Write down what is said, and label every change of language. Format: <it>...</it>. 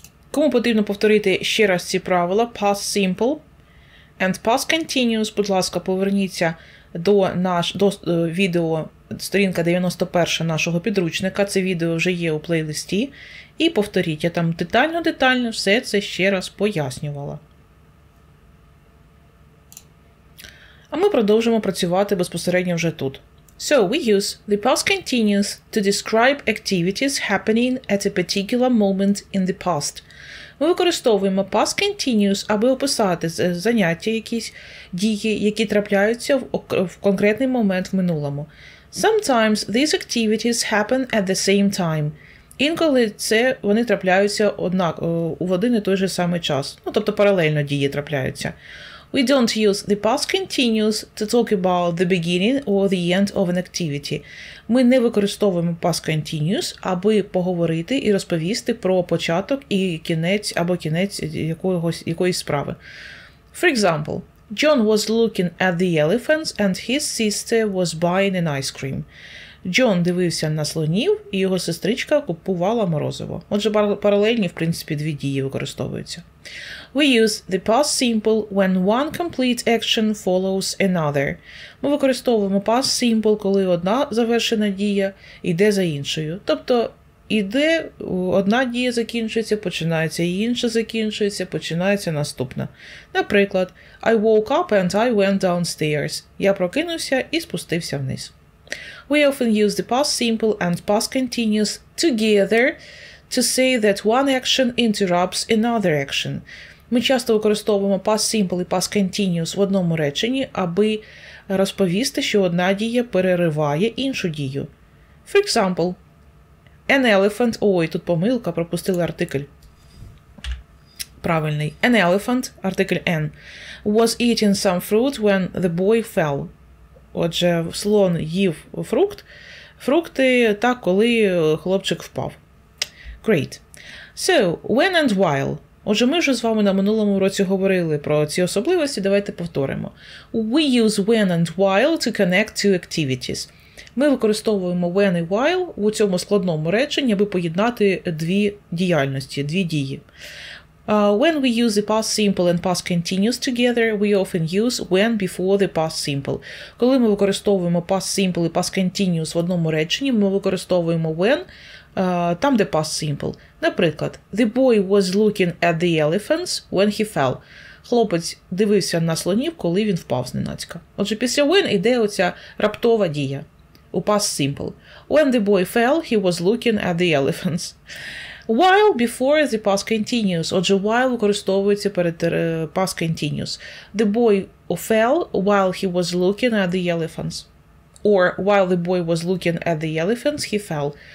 <uk>Кому потрібно повторити ще раз ці правила past simple and past continuous, будь ласка, поверніться до відео сторінка 91 нашого підручника, це відео вже є у плейлисті, і повторіть, я там детально-детально все це ще раз пояснювала. А ми продовжимо працювати безпосередньо вже тут.</uk> <en>So, we use the past continuous to describe activities happening at a particular moment in the past.</en> <uk>Ми використовуємо past continuous, аби описати заняття якісь, дії, які трапляються в конкретний момент в минулому.</uk> <en>Sometimes these activities happen at the same time.</en> <uk>Інколи це вони трапляються однак в один і той же самий час. Ну, тобто паралельно дії трапляються.</uk> <en>We don't use the past continuous to talk about the beginning or the end of an activity.</en> <uk>Ми не використовуємо past continuous, аби поговорити і розповісти про початок і кінець або кінець якоїсь справи.</uk> <en>For example, John was looking at the elephants and his sister was buying an ice cream.</en> <uk>Джон дивився на слонів, і його сестричка купувала морозиво. Отже, паралельні, в принципі, дві дії використовуються.</uk> <en>We use the past simple when one complete action follows another.</en> <uk>Ми використовуємо past simple, коли одна завершена дія йде за іншою. Тобто, іде, одна дія закінчується, починається, і інша закінчується, починається наступна.</uk> <en>Наприклад, I woke up and I went downstairs.</en> <uk>Я прокинувся і спустився вниз.</uk> <en>We often use the past simple and past continuous together to say that one action interrupts another action.</en> <uk>Ми часто використовуємо past simple і past continuous в одному реченні, аби розповісти, що одна дія перериває іншу дію. For example, an elephant, ой, тут помилка, пропустили артикль. Правильний.</uk> <en>An elephant, артикль N, was eating some fruit when the boy fell.</en> <uk>Отже, слон їв фрукти, так, коли хлопчик впав.</uk> <en>Great. So, when and while.</en> <uk>Отже, ми вже з вами на минулому уроці говорили про ці особливості, давайте повторимо.</uk> <en>We use when and while to connect two activities.</en> <uk>Ми використовуємо when і while у цьому складному реченні, аби поєднати дві діяльності, дві дії.</uk> <en>When we use the past simple and past continuous together, we often use when before the past simple.</en> <uk>Коли ми використовуємо past simple і past continuous в одному реченні, ми використовуємо when там, де past simple.</uk> <en>Наприклад, the boy was looking at the elephants when he fell.</en> <uk>Хлопець дивився на слонів, коли він впав зненацька. Отже, після when іде оця раптова дія у past simple.</uk> <en>When the boy fell, he was looking at the elephants. While before the past continuous. Отже, while використовується перед past continuous. The boy fell while he was looking at the elephants. Or while the boy was looking at the elephants, he fell.</en>